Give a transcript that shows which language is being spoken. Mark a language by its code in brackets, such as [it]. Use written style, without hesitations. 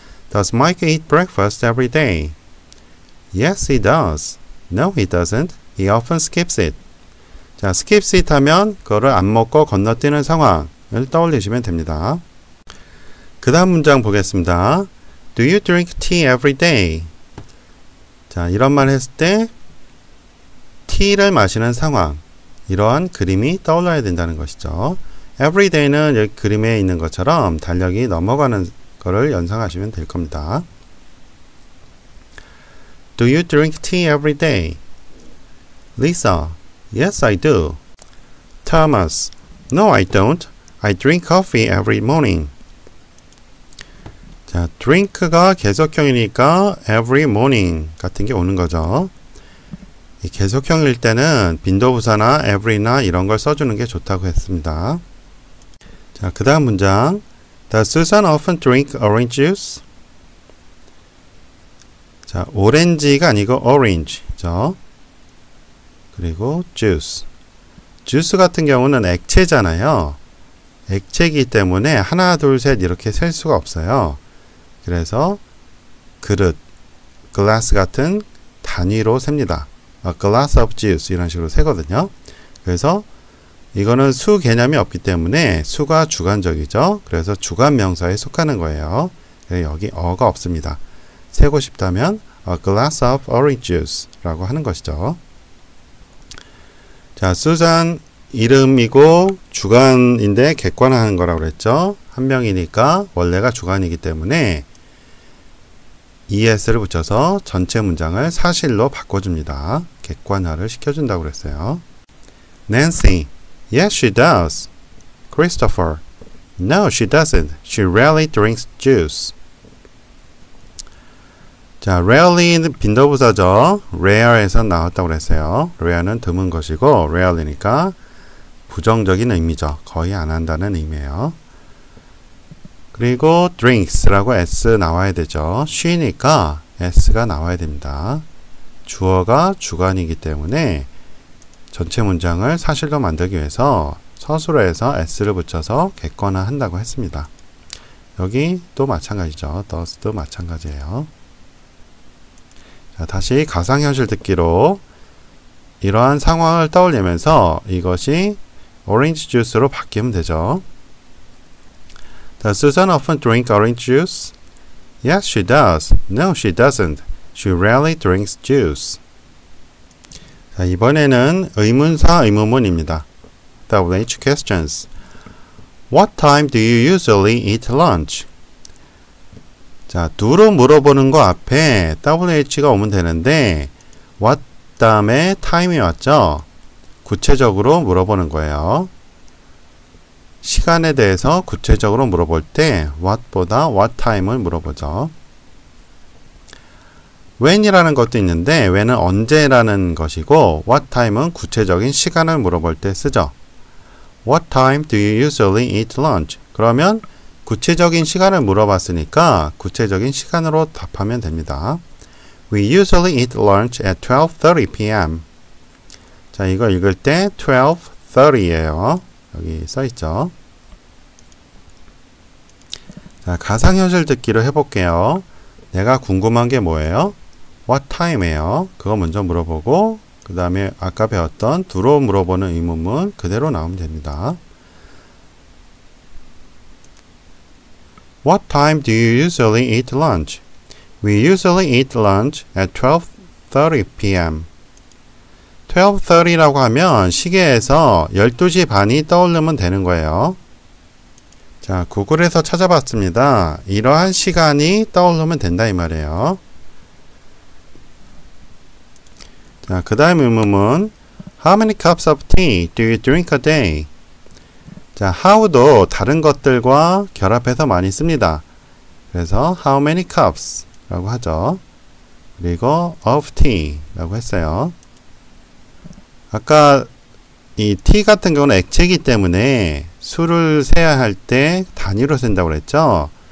[en] Does Mike eat breakfast every day? Yes, he does. No, he doesn't. He often skips it. [ko] 자, skips it 하면 그거를 안 먹고 건너뛰는 상황을 떠올리시면 됩니다. 그 다음 문장 보겠습니다. [en] Do you drink tea every day? [ko] 자, 이런 말 했을 때 tea를 마시는 상황, 이러한 그림이 떠올라야 된다는 것이죠. Every day는 여기 그림에 있는 것처럼 달력이 넘어가는 것을 연상하시면 될 겁니다. [en] Do you drink tea every day? Lisa, yes, I do. Thomas, no, I don't. I drink coffee every morning. [ko] 자, drink가 계속형이니까 every morning 같은 게 오는 거죠. 이 계속형일 때는 빈도부사나 every나 이런 걸 써주는 게 좋다고 했습니다. 자, 그 다음 문장. [en] Does Susan often drink orange juice? [ko] 자, 오렌지가 아니고 orange죠. 그리고 juice. juice 같은 경우는 액체잖아요. 액체이기 때문에 하나, 둘, 셋 이렇게 셀 수가 없어요. 그래서 그릇, glass 같은 단위로 셉니다. [en] A glass of juice [ko] 이런 식으로 세거든요. 그래서 이거는 수 개념이 없기 때문에 수가 주관적이죠. 그래서 주관명사에 속하는 거예요. 여기 어가 없습니다. 세고 싶다면 [en] a glass of orange juice [ko] 라고 하는 것이죠. 자, Susan 이름이고 주관인데 객관화하는 거라고 그랬죠. 한 명이니까 원래가 주관이기 때문에 ES를 붙여서 전체 문장을 사실로 바꿔줍니다. 객관화를 시켜준다고 그랬어요. [en] Nancy, yes, she does. Christopher, no, she doesn't. She rarely drinks juice. [ko] 자, rarely는 빈도부사죠. rare에서 나왔다고 그랬어요. rare는 드문 것이고 rarely니까 부정적인 의미죠. 거의 안 한다는 의미예요. 그리고 drinks라고 s 나와야 되죠. she니까 s가 나와야 됩니다. 주어가 주관이기 때문에 전체 문장을 사실로 만들기 위해서 서술어에서 s를 붙여서 객관화한다고 했습니다. 여기 또 마찬가지죠. does도 마찬가지예요. 자, 다시 가상현실 듣기로 이러한 상황을 떠올리면서 이것이 orange juice로 바뀌면 되죠. [en] Does Susan often drink orange juice? Yes, she does. No, she doesn't. She rarely drinks juice. [ko] 자, 이번에는 의문사 의문문입니다. [en] WH questions. What time do you usually eat lunch? [ko] 자, do로 물어보는 거 앞에 WH가 오면 되는데 what 다음에 time이 왔죠? 구체적으로 물어보는 거예요. 시간에 대해서 구체적으로 물어볼 때 what보다 what time을 물어보죠. when이라는 것도 있는데 when은 언제라는 것이고 what time은 구체적인 시간을 물어볼 때 쓰죠. [en] What time do you usually eat lunch? [ko] 그러면 구체적인 시간을 물어봤으니까 구체적인 시간으로 답하면 됩니다. [en] We usually eat lunch at 12:30 p.m. [ko] 자, 이거 읽을 때 12:30예요. 여기 써 있죠. 자, 가상현실 듣기로 해볼게요. 내가 궁금한 게 뭐예요? [en] What time예요? [ko] 그거 먼저 물어보고 그 다음에 아까 배웠던 do로 물어보는 의문문 그대로 나오면 됩니다. [en] What time do you usually eat lunch? We usually eat lunch at 12:30 p.m. [ko] 12:30라고 하면 시계에서 12시 반이 떠오르면 되는 거예요. 자, 구글에서 찾아봤습니다. 이러한 시간이 떠오르면 된다 이 말이에요. 자, 그 다음 의문은 [en] How many cups of tea do you drink a day? [ko] 자, how도 다른 것들과 결합해서 많이 씁니다. 그래서 [en] how many cups [ko] 라고 하죠. 그리고 of tea 라고 했어요. 아까 이 tea 같은 경우는 액체이기 때문에 술을 세야 할때 단위로 센다고 그랬죠.